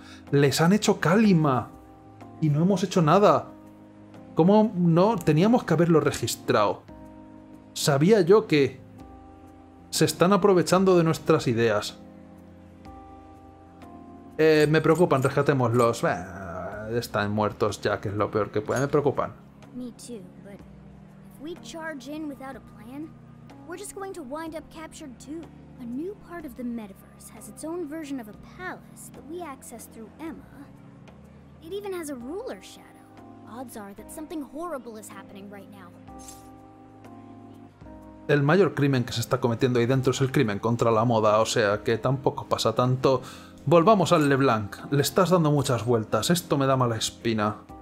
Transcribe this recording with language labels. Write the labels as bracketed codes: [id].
[es] ¡Les han hecho Kalima! Y no hemos hecho nada. ¿Cómo no? Teníamos que haberlo registrado. Sabía yo que se están aprovechando de nuestras ideas. Me preocupan, rescatémoslos. Están muertos ya, que es lo peor que puede. Me preocupan. [en] Me too, but if we charge in without a plan, we're just going to wind up captured too. A new part of the metaverse has its own version of a palace that we access through Emma. It even has a ruler shadow. Odds are that something horrible is happening right now. [es] El mayor crimen que se está cometiendo ahí dentro es el crimen contra la moda, o sea que tampoco pasa tanto. Volvamos al LeBlanc. Le estás dando muchas vueltas. Esto me da mala espina.